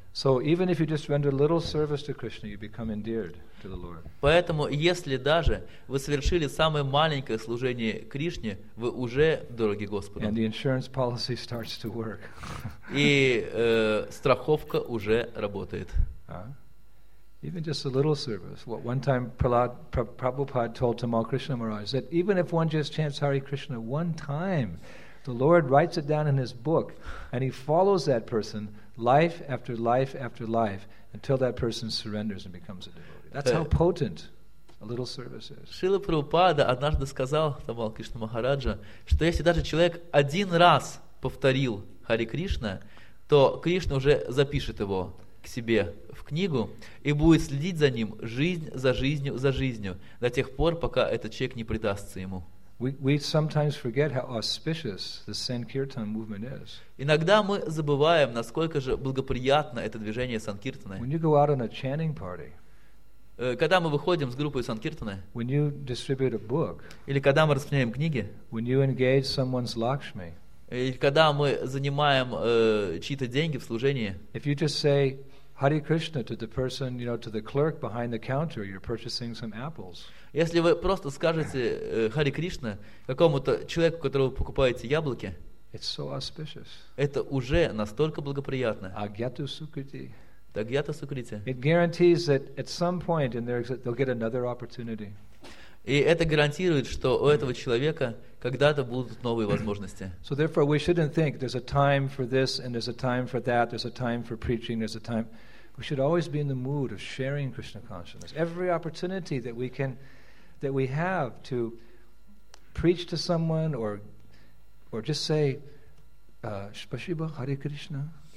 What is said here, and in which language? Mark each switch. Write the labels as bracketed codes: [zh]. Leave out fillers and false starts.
[en] So even if you just render little service to Krishna, you become endeared to the Lord. [ru] Поэтому если даже вы совершили самое маленькое служение Кришне, вы уже дороги Господу. [en] And the insurance policy starts to work. [ru] И страховка уже работает. [en] Even just a little service. What one time Prabhupada told Tamal Krishna Maharaj that even if one just chants Hare Krishna one time, the Lord writes it down in his book, and he follows that person life after life after life until that person surrenders and becomes a devotee. That's how potent a little service is. [ru] Шрила Прабхупада однажды сказал Тамал Кришна Махараджа, что если даже человек один раз повторил Хари Кришна, то Кришна уже запишет его к себе в книгу и будет следить за ним жизнь за жизнью за жизнью до тех пор, пока этот человек не предастся ему. [en] We sometimes forget how auspicious the Sankirtan movement is. [ru] Иногда мы забываем, насколько же благоприятно это движение Санкиртаны. [en] When you go out on a chanting party, [ru] когда мы выходим с группой Санкиртаны, [en] when you distribute a book, [ru] или когда мы распространяем книги, [en] when you engage someone's Lakshmi, [ru] или когда мы занимаем чьи-то деньги в служении, [en] if you just say Hare Krishna to the person, you know, to the clerk behind the counter, you're purchasing some apples. [ru] Если вы просто скажете Хари Кришна какому-то человеку, которого вы покупаете яблоки, [en] it's so auspicious. [ru] Это уже настолько благоприятно. [sa] Агьята сукрити. Агьята сукрити. [en] It guarantees that at some point in their existence they'll get another opportunity. [ru] И это гарантирует, что у этого человека когда-то будут новые возможности. [en] So therefore we shouldn't think there's a time for this and there's a time for that, there's a time for preaching, there's a time. We should always be in the mood of sharing Krishna consciousness. Every opportunity that we can, that we have to preach to someone or just say, Spasibo, Hare Krishna.